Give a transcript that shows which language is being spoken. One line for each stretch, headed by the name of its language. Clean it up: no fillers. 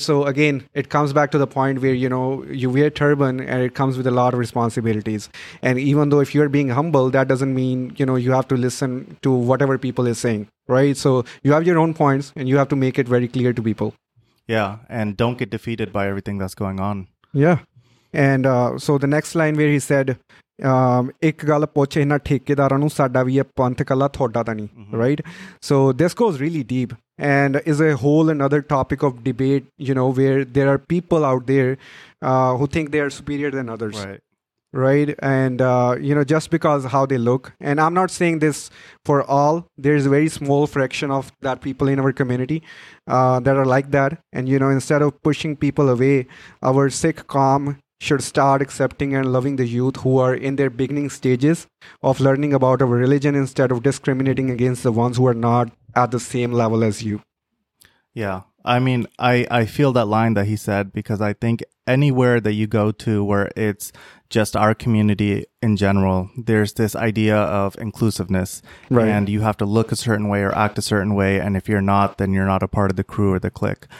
English: So again, it comes back to the point where, you know, you wear turban and it comes with a lot of responsibilities. And even though if you are being humble, that doesn't mean, you know, you have to listen to whatever people are saying. Right? So you have your own points and you have to make it very clear to people. Yeah. And don't get defeated by everything that's going on. Yeah. And so the next line where he said,
Punjabi: ਇੱਕ ਗੱਲ ਪੁੱਛ ਇਹਨਾਂ ਠੇਕੇਦਾਰਾਂ ਨੂੰ ਸਾਡਾ ਵੀ ਇਹ ਪੰਥ ਇਕੱਲਾ ਤੁਹਾਡਾ ਤਾਂ ਨਹੀਂ
English: Right so this goes really deep and is a whole another topic of debate you know where there are people out there who think they are superior than others right and you know just because how they look and I'm not saying this for all there is very small fraction of that people in our community that are like that and you know instead of pushing people away our Sikh ਕੌਮ should start accepting and loving the youth who are in their beginning stages of learning about our religion instead of discriminating against the ones who are not at the same level as you. Yeah. I mean, I feel that line that he said, because I think anywhere that you go to where it's just our community in general, there's this idea of inclusiveness. Right. And you have to look a certain way or act a certain way. And if you're not, then you're not a part of the crew or the clique.